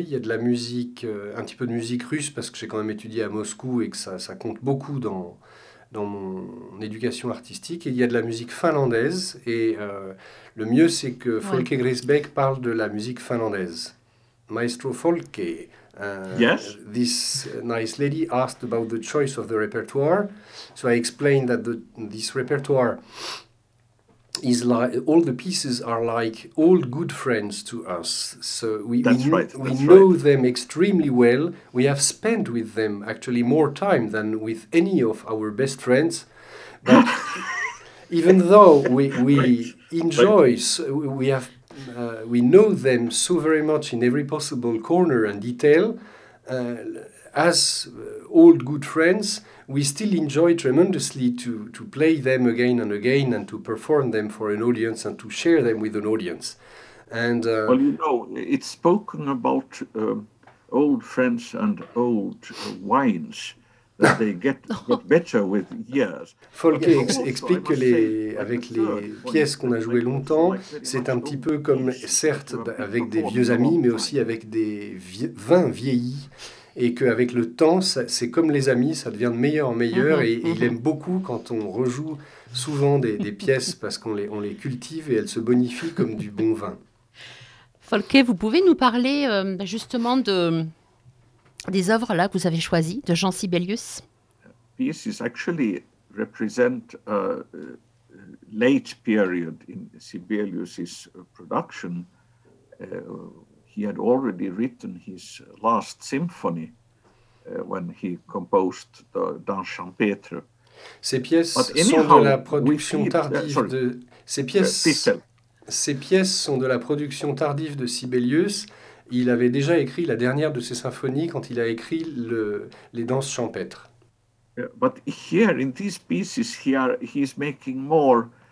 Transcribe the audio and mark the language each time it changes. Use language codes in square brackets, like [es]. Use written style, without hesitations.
[fr] Il y a de la musique, un petit peu de musique russe, parce que j'ai quand même étudié à Moscou et que ça compte beaucoup dans mon éducation artistique. Et il y a de la musique finlandaise. Et le mieux, c'est que Folke Grisbeck parle de la musique finlandaise. Maestro Folke. [en] Yes. This nice lady asked about the choice of the repertoire. So I explained that this repertoire is like all the pieces are like old good friends to us. So we know them extremely well. We have spent with them actually more time than with any of our best friends. But even though we know them so very much in every possible corner and detail, as old good friends, we still enjoy tremendously to play them again and again and to perform them for an audience and to share them with an audience. And well, you know, it's spoken about old friends and old wines that they get better with years. [fr] Folke explique que avec les pièces qu'on a jouées longtemps, c'est un petit peu comme, certes, avec des vieux amis, mais aussi avec des vins vieillis. Et qu'avec le temps, c'est comme les amis, ça devient de meilleur en meilleur. Mm-hmm, et il aime beaucoup quand on rejoue souvent des pièces parce qu'on les cultive et elles se bonifient comme du bon vin. Folke, vous pouvez nous parler justement des œuvres là que vous avez choisies de Jean Sibelius. [en] This is actually represent a late period in Sibelius's production. He had already written his last symphony when he composed the Danse Champêtre. [fr] Ces pièces sont de la production tardive de ces pièces sont de la production tardive de Sibelius. Il avait déjà écrit la dernière de ses symphonies quand il a écrit les danses champêtres. [en] Yeah, but here in these pieces, he is making more.